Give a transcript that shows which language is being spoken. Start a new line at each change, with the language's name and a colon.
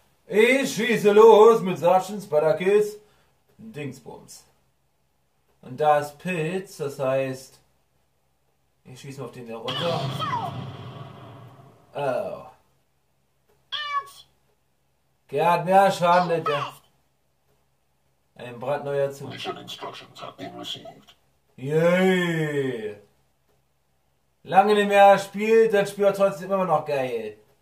German: Ich schieße los mit Sergeant Spider-Kills Dingsbums. Und da ist Pilz, das heißt, ich schieße auf den da runter. Oh. Der hat mehr Schaden, der. Ein brandneuer Zug.
English: Mission Instructions have been received. Yay!
German: Lange nicht mehr spielt, das Spiel ist trotzdem immer noch geil.